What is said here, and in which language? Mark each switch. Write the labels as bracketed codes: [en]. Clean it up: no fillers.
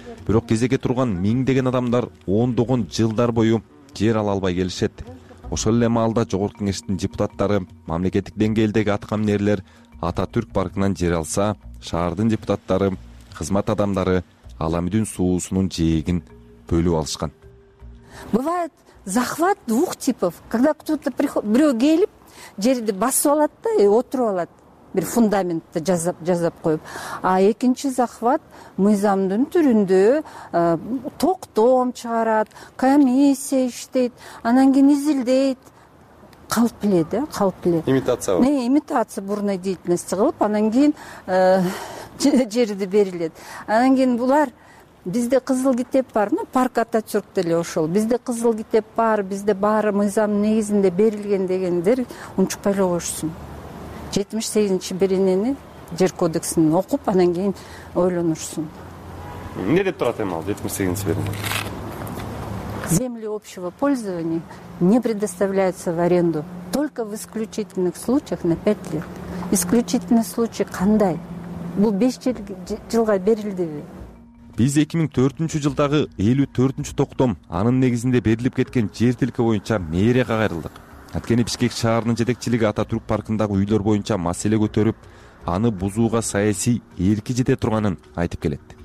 [ky] Бирок кезеге турган миңдеген адамдар ондогон жылдар бою жер ала албай келишет. Ошол эле маалда Жогорку Кеңештин депутаттары мамлекеттик деңгээлдеги аткаминерлер Ататүрк паркынан жер алса, шаардын депутаттары, кызмат адамдары Аламүдүн суусунун жээгин бөлүп алышкан. [ru] Бывает захват двух типов. Когда кто-то приходит, [ky] бирөө келип жерди басып алат да, отуруп алат, бир фундаментти жасап коюп. А экинчи захват мыйзамдын түрүндө токтом чыгарат, комиссия иштейт, анан кийин изилдейт, калп эле да, калп эле. Имитация бар. [ru] Имитация бурной деятельности [ky] кылып, анан кийин жерди берилет. Анан кийин булар бизде кызыл китеп бар, парк Ататүрк деле ошол. Бизде кызыл китеп бар, бизде баары мыйзамдын негизинде берилген дегендер унчукпай эле коюшсун. 78-чи беренени жер кодексин окуп, анан кийин ойлонушсун. Эмне деп турат эми ал 78-чи берене? [ru] Земли общего пользования не предоставляются в аренду. Только в исключительных случаях на 5 лет. Исключительный случай кандай. [ky] Бул 5 жылга берилдиби. Биз 2004 жылдагы 54-нчү токтом анын негизинде берилип кеткен жер тилки боюнча мээре кайрылдык. Анткени Бишкек шаарынын жетекчилиги Ататүрк паркындагы үйлөр боюнча маселе көтөрүп, аны бузууга саясий эрки жете турганын айтып келет.